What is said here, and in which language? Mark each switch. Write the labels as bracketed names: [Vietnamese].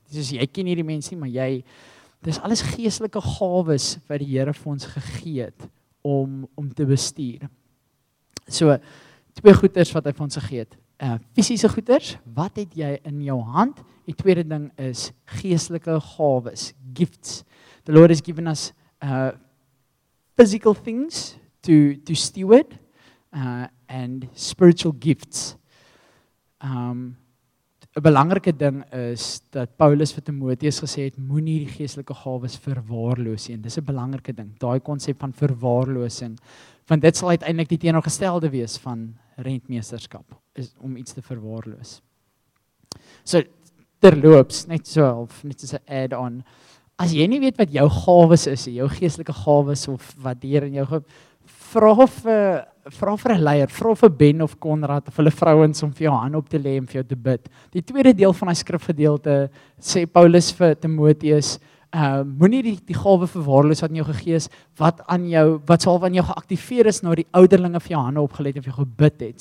[Afrikaans] Soos jy ken hierdie mense nie, maar jy, dis alles geestelike gawes wat die Here vir ons gegee het om te bestuur. So, twee goeders wat hy vir ons gegee het. Fisiese goeders, wat het jy in jou hand? Die tweede ding is geestelike gawes, gifts. [English] The Lord has given us physical things to steward. And spiritual gifts. [Afrikaans] 'N belangrike ding is dat Paulus vir Timoteus gesê het, moenie die geestelike gawes verwaarloos nie. Dis 'n belangrike ding, daai konsep van verwaarlosing. Want dit sal uiteindelik die teenoorgestelde wees van rentmeesterskap, is om iets te verwaarloos. So, terloops, net so, of net soos 'n add-on, as jy nie weet wat jou gawes is, jou geestelike gawes, of wat hier in jou vra vir 'n leier, vra vir Ben of Konrad of hulle vrouens om vir jou hand op te lê en vir jou te bid. Die tweede deel van die skrifgedeelte sê Paulus vir Timoteus, moenie die gawe verwaarloos wat in jou gegee is, wat sal van jou geaktiveer is na die ouderlinge vir jou hande opgelê het en vir jou gebid het.